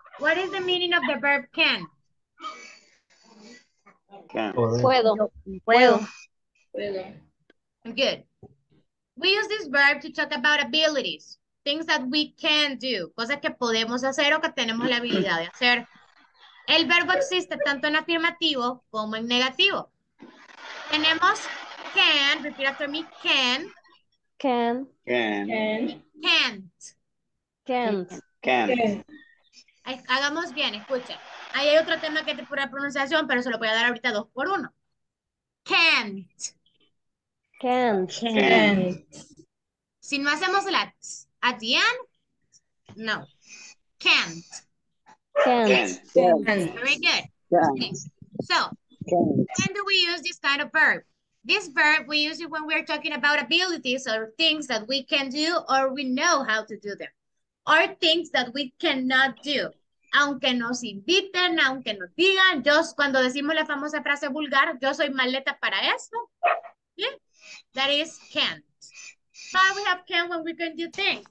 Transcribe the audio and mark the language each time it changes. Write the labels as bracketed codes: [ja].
[en] What is the meaning of the verb can? [es] Puedo. Puedo. Puedo. [en] Good. We use this verb to talk about abilities. Things that we can do. [es] Cosas que podemos hacer o que tenemos la habilidad de hacer. El verbo existe tanto en afirmativo como en negativo. Tenemos [en] can. Repeat after me. Can. Can. Can. Can't. Can't. Can't. [es] Hagamos bien, escuchen. Ahí hay otro tema que es de pura pronunciación, pero se lo voy a dar ahorita dos por uno. [en] Can't. Can't. Can't. [es] Si no hacemos la [en] at the end, [es] no. Can't. [en] Can't. Can't. Very good. Can't. Okay. So, can't. When do we use this kind of verb? This verb, we use it when we're talking about abilities or things that we can do or we know how to do them. Or things that we cannot do. [es] Aunque nos inviten, aunque nos digan, yo cuando decimos la famosa frase vulgar, yo soy maleta para esto. [en] ¿Sí? That is can't. But we have can when we can do things.